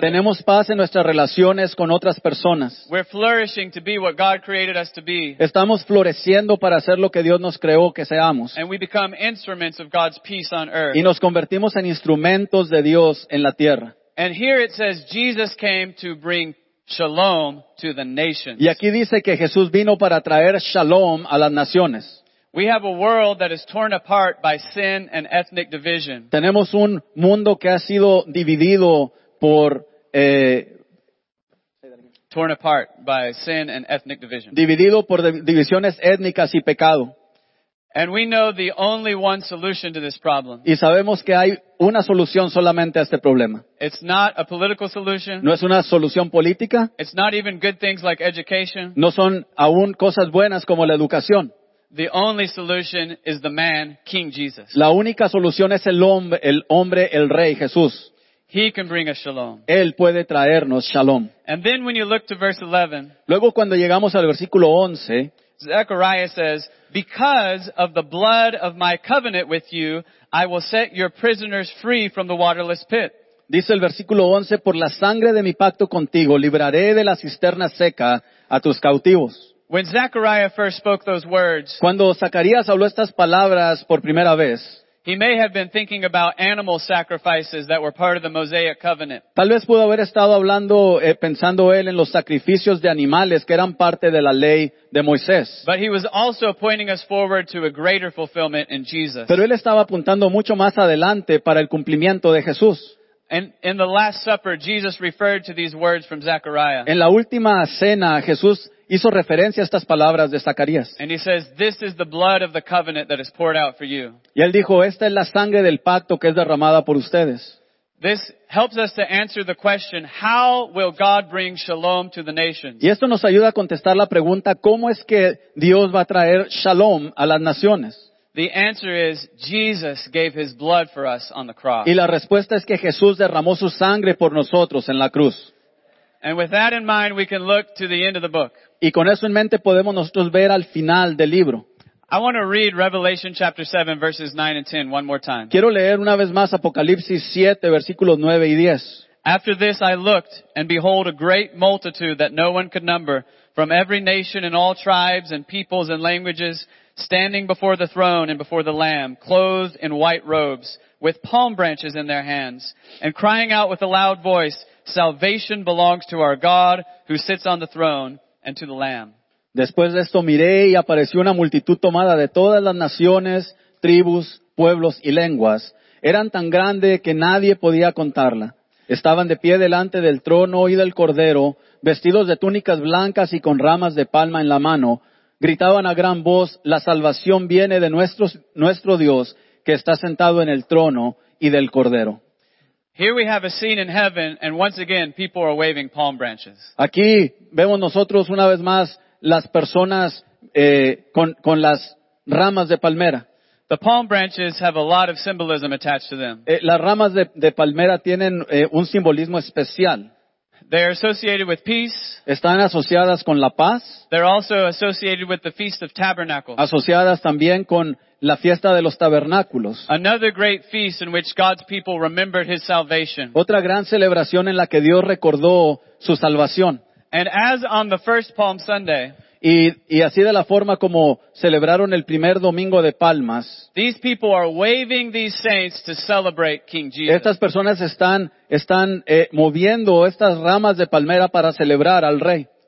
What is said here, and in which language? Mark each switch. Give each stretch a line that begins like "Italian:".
Spanish: Tenemos paz en nuestras relaciones con otras personas.
English: We're flourishing to be what God created us to be.
Spanish: Estamos floreciendo para hacer lo que Dios nos creó que seamos.
English: And we become instruments of God's peace on earth.
Spanish: Y nos convertimos en instrumentos de Dios en la tierra.
English: And here it says Jesus came to bring shalom to the nations.
Spanish: Y aquí dice que Jesús vino para traer shalom a las naciones.
English: We have a world that is torn apart by sin and ethnic division.
Spanish: Tenemos un mundo que ha sido dividido por
English: torn apart by sin and ethnic division.
Spanish: Dividido por divisiones étnicas y pecado.
English: And we know the only one solution to this problem.
Spanish: Y sabemos que hay una solución solamente a este problema.
English: It's not a political solution.
Spanish: No es una solución política.
English: It's not even good things like education.
Spanish: No son aún cosas buenas como la educación.
English: The only solution is the man, King Jesus.
Spanish: La única solución es el hombre, el rey Jesús.
English: He can bring us shalom.
Spanish: Él puede traernos shalom.
English: And then when you look to verse 11,
Spanish: luego cuando llegamos al versículo 11,
English: Zechariah says, because of the blood of my covenant with you, I will set your prisoners free from the waterless pit.
Spanish: Dice el versículo 11, por la sangre de mi pacto contigo, libraré de la cisterna seca a tus cautivos.
English: When Zechariah first spoke those words,
Spanish: cuando Zacarías habló estas palabras por primera vez,
English: He may have been thinking about animal sacrifices that were part of the Mosaic covenant.
Spanish: Tal vez pudo haber estado hablando, pensando él en los sacrificios de animales que eran parte de la ley de Moisés.
English: But he was also pointing us forward to a greater fulfillment in Jesus.
Spanish: Pero él estaba apuntando mucho más adelante para el cumplimiento de Jesús.
English: And in the Last Supper, Jesus referred to these words from Zechariah.
Spanish: En la última cena, Jesús hizo referencia a estas palabras de Zacarías.
English: And he says, "This is the blood of the covenant that is poured out for you."
Spanish: Y él dijo, "Esta es la sangre del pacto que es derramada por ustedes."
English: This helps us to answer the question, "How will God bring shalom to the nations?"
Spanish: Y esto nos ayuda a contestar la pregunta, ¿cómo es que Dios va a traer shalom a las naciones?
English: The answer is Jesus gave his blood for us on the cross.
Spanish: Y la respuesta es que Jesús derramó su sangre por nosotros en la cruz.
English: And with that in mind, we can look to the end of the book.
Spanish: Y con eso en mente podemos nosotros ver al final del libro.
English: I want to read Revelation chapter 7 verses 9 and 10 one more time.
Spanish: Quiero leer una vez más Apocalipsis 7 versículos 9 y 10.
English: After this I looked, and behold a great multitude that no one could number, from every nation and all tribes and peoples and languages, standing before the throne and before the Lamb, clothed in white robes, with palm branches in their hands, and crying out with a loud voice, "Salvation belongs to our God who sits on the throne and to the Lamb."
Spanish: Después de esto miré y apareció una multitud tomada de todas las naciones, tribus, pueblos y lenguas. Eran tan grande que nadie podía contarla. Estaban de pie delante del trono y del cordero, vestidos de túnicas blancas y con ramas de palma en la mano. Gritaban a gran voz, "La salvación viene de nuestro Dios, que está sentado en el trono y del Cordero."
English: Here we have a scene in heaven, and once again, people are waving palm branches.
Spanish: Aquí vemos nosotros una vez más las personas con las ramas de palmera.
English: The palm branches have a lot of symbolism attached to them.
Spanish: Las ramas de palmera tienen un simbolismo especial.
English: They are associated with peace.
Spanish: Están asociadas con la paz.
English: They're also associated with the Feast of Tabernacles.
Spanish: Asociadas también con la fiesta de los tabernáculos.
English: Another great feast in which God's people remembered his salvation.
Spanish: Otra gran celebración en la que Dios recordó su salvación.
English: And as on the first Palm Sunday,
Spanish: y así de la forma como celebraron el primer domingo de palmas,
English: these people are waving these saints to celebrate King Jesus.
Spanish: Estas personas están moviendo estas ramas de palmera para celebrar al rey.